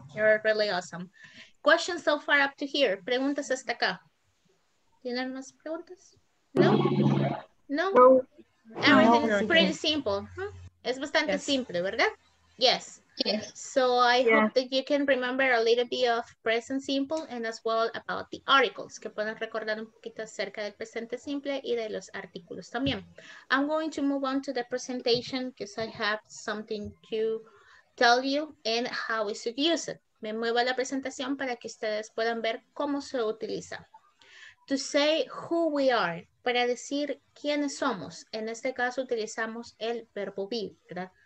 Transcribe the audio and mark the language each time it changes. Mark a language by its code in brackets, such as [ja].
[en] You're really awesome. Questions so far up to here. [es] Preguntas hasta acá. ¿Tienen más preguntas? No? No? [en] Everything's pretty simple. Huh? [es] Es bastante simple, ¿verdad? [en] Yes. Yes. So I hope that you can remember a little bit of present simple and as well about the articles. [es] Que puedan recordar un poquito acerca del presente simple y de los artículos también. [en] I'm going to move on to the presentation because I have something to tell you and how we should use it. [es] Me muevo a la presentación para que ustedes puedan ver cómo se utiliza. [en] To say who we are, [es] para decir quiénes somos. En este caso utilizamos el verbo be, ¿verdad?